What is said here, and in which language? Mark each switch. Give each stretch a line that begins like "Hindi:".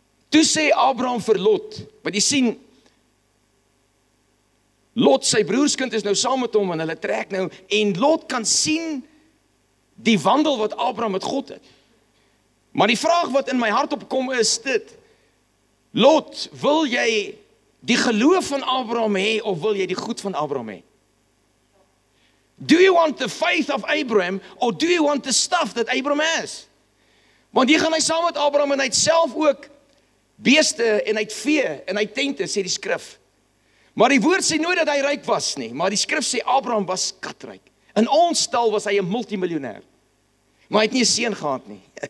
Afrikaans: Toe sê Abraham vir Lot, wat jy sien, Lot, sy broerskind is nou saam met hom en hulle trek nou, en Lot kan sien die wandel wat Abraham met God het. Maar die vraag wat in my hart opkom is dit, Lot, wil jy die geloof van Abraham hê, of wil jy die goed van Abraham hê?
English: Do you want the faith of Abraham, or do you want the stuff that Abraham has?
Afrikaans: Want hier gaan hy saam met Abraham en hy het self ook beeste en hy het vee en hy het tente, sê die skrif. Maar die woord sê nooit dat hy ryk was nie, maar die skrif sê Abraham was katryk. In ons taal was hy 'n multimiljonair. Maar hy het nie 'n seun gehad nie.